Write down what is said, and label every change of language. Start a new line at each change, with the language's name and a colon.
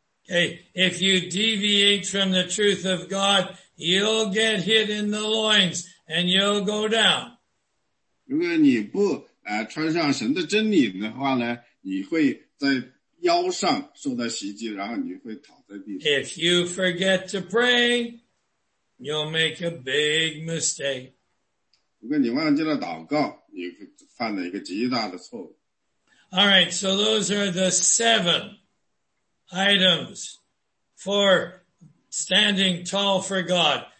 English: Okay, if you deviate from the truth of God, you'll get hit in the loins and you'll go down.
Chinese: 如果你不穿上神的真理的话呢，你会在腰上受到袭击，然后你会躺在地上。
English: If you forget to pray, you'll make a big mistake.
Chinese: 如果你忘记了祷告，你犯了一个极大的错误。
English: All right, so those are the seven items for standing tall for God.